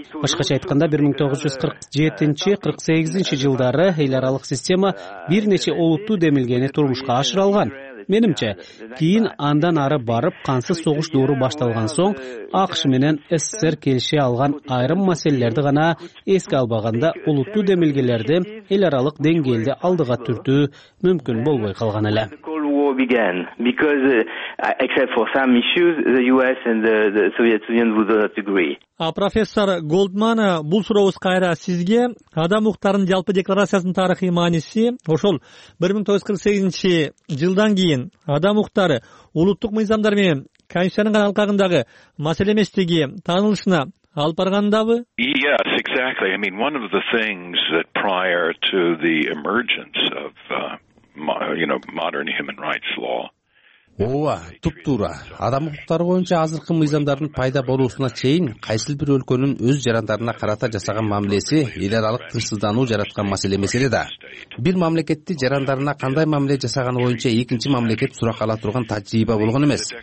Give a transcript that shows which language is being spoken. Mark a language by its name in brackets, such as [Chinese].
[Kyrgyz] Башкача айтканда 1947-48 жылдары эл аралык система бир нече олуттуу демилгени турмушка ашырылган. Менимче, кийин андан ары барып кансыз согуш доору башталган соң АКШ менен СССР келише алган айрым маселелерди гана эске албаганда улуттуу демилгелерди эл аралык деңгээлде алдыга түртүү мүмкүн болбой калган эле. [English] Began because except for some issues the US and the Soviet Union would not agree. [Kyrgyz] А профессор Голдман, бул сурообуз кайра сизге. Адам укуктарынын жалпы декларациясынын тарыхый мааниси ошол 1948 жылдан кийин адам укуктары улуттук мыйзамдар менен конвенциянын гана алкагындагы маселе эместиги таанылышына алып баргандабы? [English] Yes, exactly. I mean, one of the things that prior to the emergence of modern human rights law. [Kyrgyz] Ооба, туптуура. Адам укуктары боюнча азыркы мыйзамдардын пайда болуусуна чейин кайсыл бир өлкөнүн өз жарандарына карата жасаган мамилеси эл аралык тынчсыздануу жараткан маселе эмес эле да. Бир мамлекетти жарандарына кандай мамиле жасаганы боюнча экинчи мамлекет сурак ала турган тажрыйба болгон эмес.